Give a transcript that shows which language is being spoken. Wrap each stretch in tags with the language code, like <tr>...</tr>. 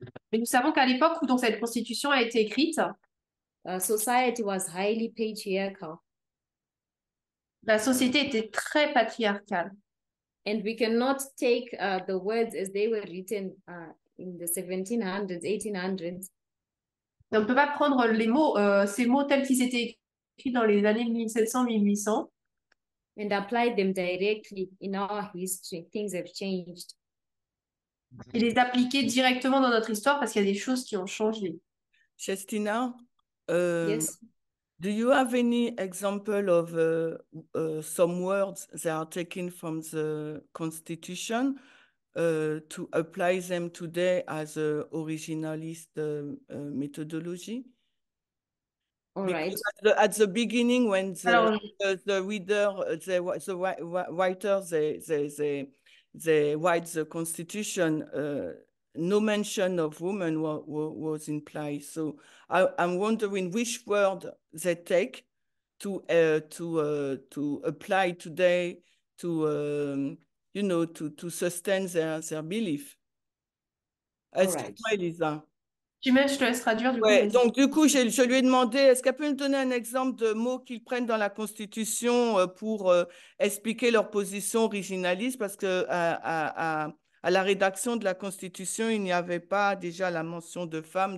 <fr>mais nous savons qu'à l'époque où donc cette Constitution a été écrite,</fr> <en>society was highly patriarchal.</en> <fr>La société était très patriarcale.</fr> <en>And we cannot take the words as they were written in the 1700s, 1800s.</en> <fr>Et on ne peut pas prendre les mots, ces mots tels qu'ils étaient écrits dans les années 1700, 1800.</fr> <en>And apply them directly in our history. Things have changed.</en> <fr>Et les appliquer directement dans notre histoire parce qu'il y a des choses qui ont changé.</fr> <en>Justina, yes. Do you have any example of some words that are taken from the Constitution to apply them today as an originalist methodology? All right. At the beginning, when the writer write the Constitution, no mention of women was implied. So I'm wondering which word they take to apply today to you know to sustain their belief.</en> <fr>Est-ce</fr> <en>right.</en> <fr>que toi, Elisa? Tu m'aimes, je te laisse traduire du ouais, coup. Donc du coup, je lui ai demandé, est-ce qu'elle peut me donner un exemple de mots qu'ils prennent dans la Constitution pour expliquer leur position originaliste, parce que à la rédaction de la Constitution, il n'y avait pas déjà la mention de femmes.</fr>